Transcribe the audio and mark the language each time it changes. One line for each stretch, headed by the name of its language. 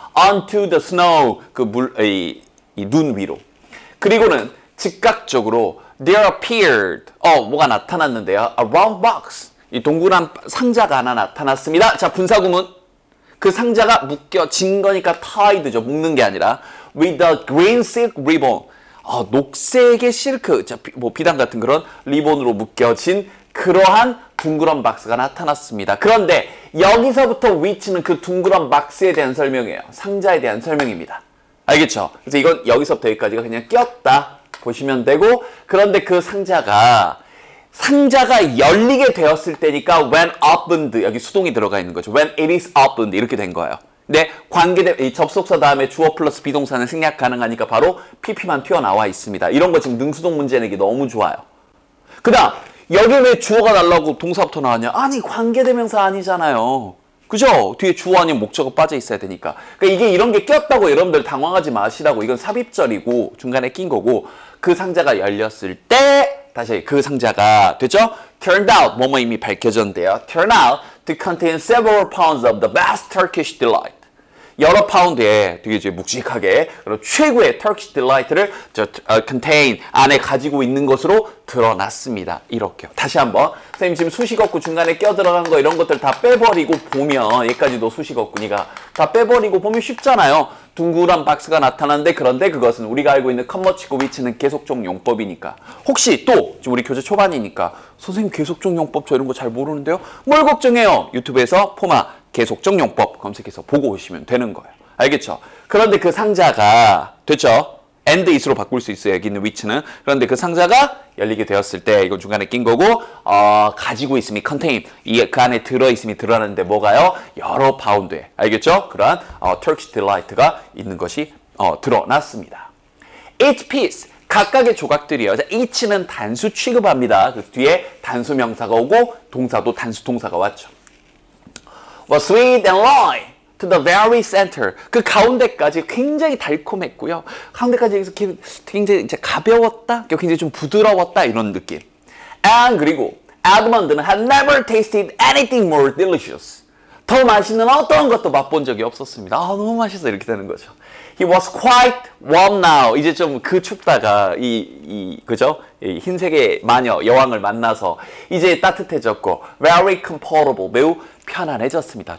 English: Onto the snow.
Korean: 그 물의 이 눈 위로. 그리고는 즉각적으로
English: there appeared
Korean: 뭐가 나타났는데요.
English: A round box.
Korean: 이 동그란 상자가 하나 나타났습니다. 자, 분사구문. 그 상자가 묶여진 거니까 tied죠. 묶는 게 아니라
English: with the green silk ribbon.
Korean: 녹색의 실크. 자, 뭐 비단 같은 그런 리본으로 묶여진 그러한 둥그런 박스가 나타났습니다. 그런데 여기서부터 which는 그 둥그런 박스에 대한 설명이에요. 상자에 대한 설명입니다. 알겠죠? 그래서 이건 여기서부터 여기까지가 그냥 꼈다 보시면 되고 그런데 그 상자가 열리게 되었을 때니까
English: when opened
Korean: 여기 수동이 들어가 있는 거죠.
English: When it is opened
Korean: 이렇게 된 거예요. 근데 관계된 접속사 다음에 주어 플러스 비동사는 생략 가능하니까 바로 PP만 튀어나와 있습니다. 이런 거 지금 능수동 문제 내기 너무 좋아요. 그 다음 여기 왜 주어가 달라고 동사부터 나왔냐? 아니 관계대명사 아니잖아요. 그죠? 뒤에 주어 아니면 목적어 빠져 있어야 되니까. 그러니까 이게 이런 게 꼈다고 여러분들 당황하지 마시라고. 이건 삽입절이고 중간에 낀 거고 그 상자가 열렸을 때 다시 그 상자가 됐죠?
English: Turned out
Korean: 뭐뭐 이미 밝혀졌는데요.
English: Turn out to contain several pounds of the best Turkish delight.
Korean: 여러 파운드에 되게 이제 묵직하게 그리고 최고의 Turkish Delight를 contain 안에 가지고 있는 것으로 드러났습니다. 이렇게요. 다시 한번 선생님 지금 수식어구 중간에 껴들어간 거 이런 것들 다 빼버리고 보면 여기까지도 수식어구니까 다 빼버리고 보면 쉽잖아요. 둥그란 박스가 나타났는데 그런데 그것은 우리가 알고 있는 컴머치고 위치는 계속적 용법이니까 혹시 또 지금 우리 교재 초반이니까 선생님 계속적 용법 저 이런 거 잘 모르는데요. 뭘 걱정해요. 유튜브에서 포마 계속적 용법 검색해서 보고 오시면 되는 거예요. 알겠죠? 그런데 그 상자가 됐죠?
English: and is
Korean: 로 바꿀 수 있어요. 여기 있는 위치는. 그런데 그 상자가 열리게 되었을 때 이건 중간에 낀 거고 가지고 있음이 contain 이, 그 안에 들어있음이 드러나는데 뭐가요? 여러 파운드에 알겠죠? 그러한 Turkish Delight가 있는 것이 드러났습니다.
English: Each piece
Korean: 각각의 조각들이요. 자, each는 단수 취급합니다. 그 뒤에 단수 명사가 오고 동사도 단수 동사가 왔죠.
English: Was sweet and long to the very center.
Korean: 그 가운데까지 굉장히 달콤했고요. 가운데까지 굉장히 이제 가벼웠다. 굉장히 좀 부드러웠다 이런 느낌.
English: And
Korean: 그리고
English: Edmund는 had never tasted anything more delicious.
Korean: 더 맛있는 어떤 것도 맛본 적이 없었습니다. 아 너무 맛있어 이렇게 되는 거죠.
English: He was quite warm now.
Korean: 이제 좀 그 춥다가 이 그죠? 이 흰색의 마녀 여왕을 만나서 이제 따뜻해졌고
English: very comfortable
Korean: 매우 편안해졌습니다.